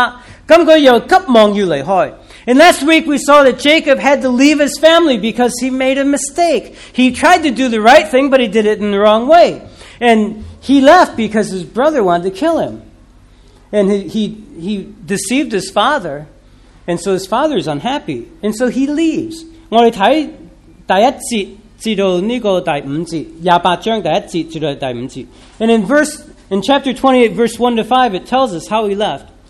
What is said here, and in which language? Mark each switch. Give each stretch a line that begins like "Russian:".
Chinese: 那我要记得雅各是怎样的，他急忙就离开家。是不是上个星期我们看到，他做对的事，但是用错的方法。于是他兄弟又想杀他，他爸爸就是不开心，因为他欺骗了爸爸，他又急忙要离开。
English: And last week we saw that Jacob had to leave his family because he made a mistake. He tried to do the right thing, but he did it in the wrong way. And he left because his brother wanted to kill him. And he deceived his father, and so his father is unhappy, and so he leaves.
Chinese: 我们看第一节至到第五节，28章第一节至到第五节。
English: And in chapter 28, verse 1 to 5, it tells us how he left.